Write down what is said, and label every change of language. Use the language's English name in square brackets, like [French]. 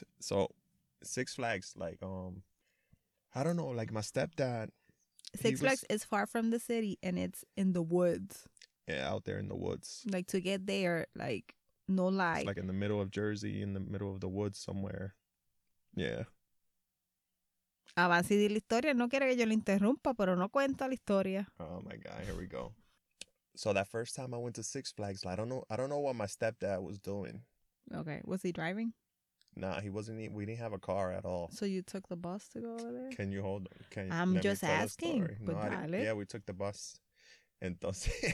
[English] So, Six Flags, like, I don't know, like, my stepdad. Six Flags is far from the city, and it's in the woods. Yeah, out there in the woods. Like, to get there, like... No lie. It's like in the middle of Jersey, in the middle of the woods somewhere. Yeah. [Spanish] Avance de la historia. No quiere que yo lo interrumpa, pero no cuenta la historia. [English] Oh my God, here we go. So that first time I went to Six Flags, I don't know what my stepdad was doing. Okay, was he driving? Nah, he wasn't. We didn't have a car at all. So you took the bus to go over there? Can you hold? Can I'm let just me tell asking. The story. But no, yeah, we took the bus. Entonces.